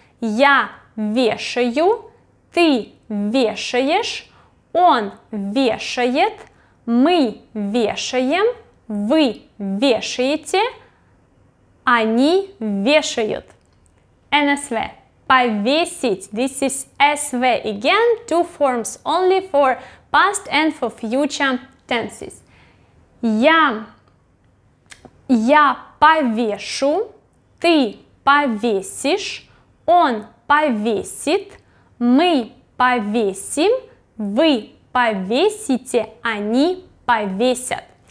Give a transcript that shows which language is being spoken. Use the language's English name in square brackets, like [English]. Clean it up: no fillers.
[Russian] Я вешаю, ты вешаешь, он вешает. Мы вешаем, вы вешаете, они вешают. [English] NSV. Повесить. This is SV again. Two forms only for past and for future tenses. [Russian] Я повешу, ты повесишь, он повесит, мы повесим, вы повесите, они повесят.